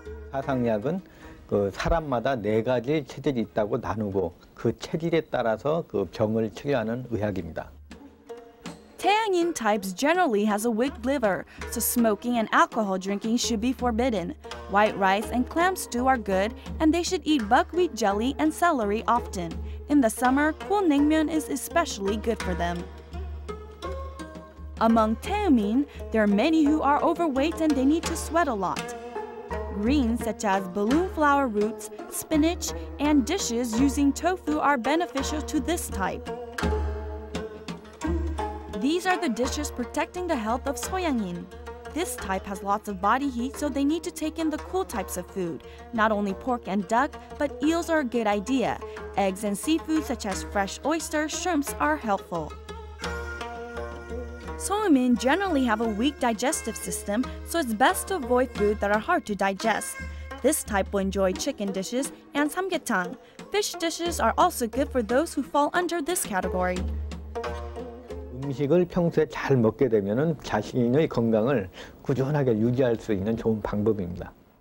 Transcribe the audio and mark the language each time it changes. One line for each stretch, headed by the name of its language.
Korean: Sasang 약은 그 사람마다 네 가지 체질이 있다고 나누고 그 체질에 따라서 그 병을 치료하는 의학입니다.
English: Taeyangin types generally has a weak liver, so smoking and alcohol drinking should be forbidden. White rice and clam stew are good, and they should eat buckwheat jelly and celery often. In the summer, cool naengmyeon is especially good for them. Among Taemin, there are many who are overweight and they need to sweat a lot. Greens such as balloon flower roots, spinach, and dishes using tofu are beneficial to this type. These are the dishes protecting the health of Soyangin. This type has lots of body heat, so they need to take in the cool types of food. Not only pork and duck, but eels are a good idea. Eggs and seafood such as fresh oyster, shrimps are helpful. Soyumin generally have a weak digestive system, so it's best to avoid food that are hard to digest. This type will enjoy chicken dishes and samgyetang. Fish dishes are also good for those who fall under this category.
Korean: 음식을 평소에 잘 먹게 되면은 자신의 건강을 꾸준하게 유지할 수 있는 좋은 방법입니다.